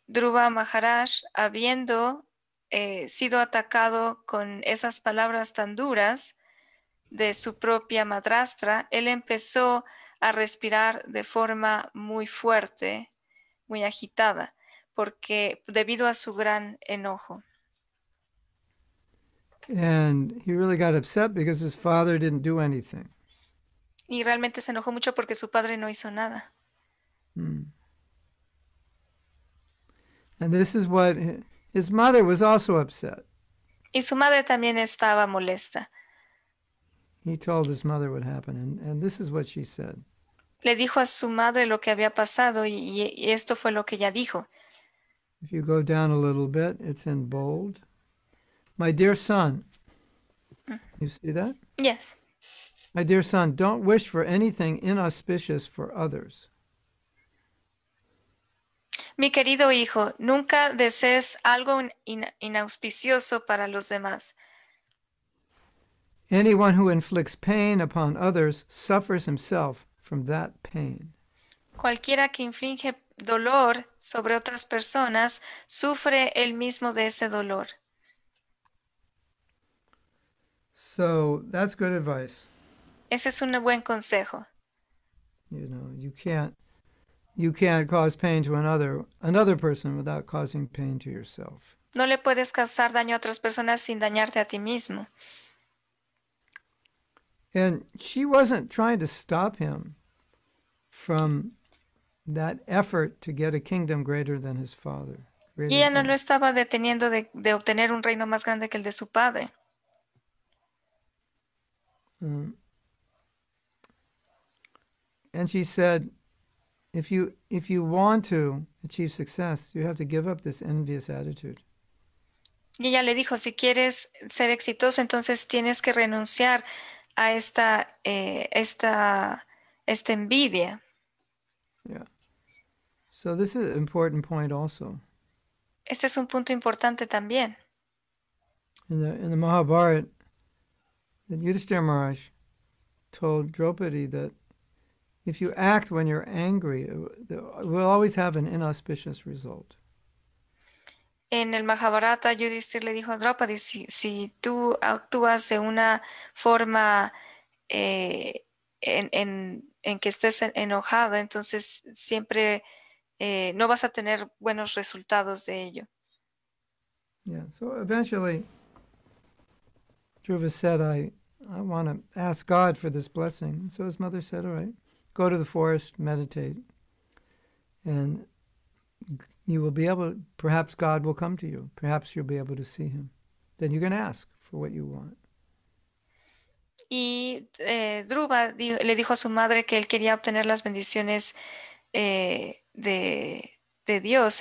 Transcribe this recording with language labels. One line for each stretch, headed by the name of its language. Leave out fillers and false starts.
Spanish: Dhruva Maharaj, habiendo sido atacado con esas palabras tan duras de su propia madrastra, él empezó a respirar de forma muy fuerte, muy agitada, porque debido a su gran enojo.
English: And he really got upset because his father didn't do anything.
Spanish: Y realmente se enojó mucho porque su padre no hizo nada.
English: And this is what his mother was also upset.
Spanish: Y su madre también estaba molesta.
English: He told his mother what happened, and this is what she said.
Spanish: Le dijo a su madre lo que había pasado y esto fue lo que ella dijo.
English: If you go down a little bit, it's in bold. My dear son, you see that? Yes. My dear son, don't wish for anything inauspicious for others.
Spanish: Mi querido hijo, nunca desees algo inauspicioso para los demás.
English: Anyone who inflicts pain upon others suffers himself from that pain.
Spanish: Cualquiera que inflige dolor sobre otras personas sufre el mismo de ese dolor.
English: So that's good advice.
Spanish: Ese es un buen consejo.
English: You know, you can't cause pain to another person without causing pain to yourself.
Spanish: No le puedes causar daño a otras personas sin dañarte a ti mismo.
English: And she wasn't trying to stop him from that effort to get a kingdom greater than his father.
Spanish: Y ella
English: really
Spanish: no lo
English: cool.
Spanish: estaba deteniendo de obtener un reino más grande que el de su padre.
English: And she said, if you want to achieve success, you have to give up this envious attitude.
Spanish: Y ella le dijo, si quieres ser exitoso, entonces tienes que renunciar a esta envidia.
English: So this is an important point also.
Spanish: Este es un punto importante también.
English: In the Mahabharata, that Yudhishthira Maharaj told Draupadi that if you act when you're angry, it will always have an inauspicious result.
Spanish: En el Mahabharata, Yudhishthira le dijo a Draupadi, si tú actúas de una forma en que estés enojado, entonces siempre no vas a tener buenos resultados de ello.
English: Yeah, so eventually, Dhruva said, I want to ask God for this blessing. So his mother said, all right, go to the forest, meditate, and you will be able to, perhaps God will come to you. Perhaps you'll be able to see him. Then you can ask for what you want.
Spanish: Y Dhruva le dijo a su madre que él quería obtener las bendiciones de Dios.